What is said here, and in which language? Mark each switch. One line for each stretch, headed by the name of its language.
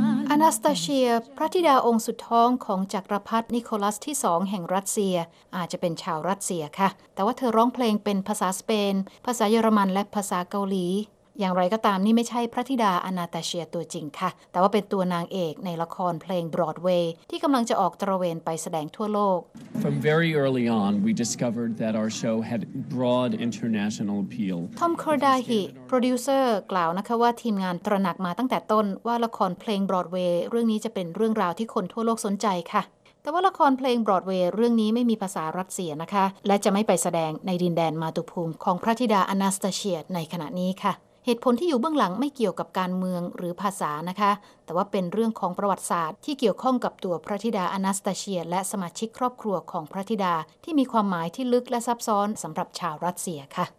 Thai: อนาสตาเชียพระธิดาองค์สุดท้องของจักรพรรดินิโคลัสที่2แห่งรัสเซียอาจจะเป็นชาวรัสเซียค่ะแต่ว่าเธอร้องเพลงเป็นภาษาสเปนภาษาเยอรมันและภาษาเกาหลีอย่างไรก็ตามนี่ไม่ใช่พระธิดาอนาตาเชียตัวจริงค่ะแต่ว่าเป็นตัวนางเอกในละครเพลงบรอดเวย์ที่กำลังจะออกตระเวนไปแสดงทั่วโลก
English: From very early on we discovered that our show had broad international appeal
Thai: Tom Kordahi โปรดิวเซอร์กล่าวนะคะว่าทีมงานตระหนักมาตั้งแต่ต้นว่าละครเพลงบรอดเวย์เรื่องนี้จะเป็นเรื่องราวที่คนทั่วโลกสนใจค่ะแต่ว่าละครเพลงบรอดเวย์เรื่องนี้ไม่มีภาษารัสเซียนะคะและจะไม่ไปแสดงในดินแดนมาตุภูมิของพระธิดาอนาสตาเชียในขณะนี้ค่ะเหตุผลที่อยู่เบื้องหลังไม่เกี่ยวกับการเมืองหรือภาษานะคะแต่ว่าเป็นเรื่องของประวัติศาสตร์ที่เกี่ยวข้องกับตัวพระธิดาอนาสตาเชียและสมาชิกครอบครัวของพระธิดาที่มีความหมายที่ลึกและซับซ้อนสำหรับชาวรัสเซียค่ะ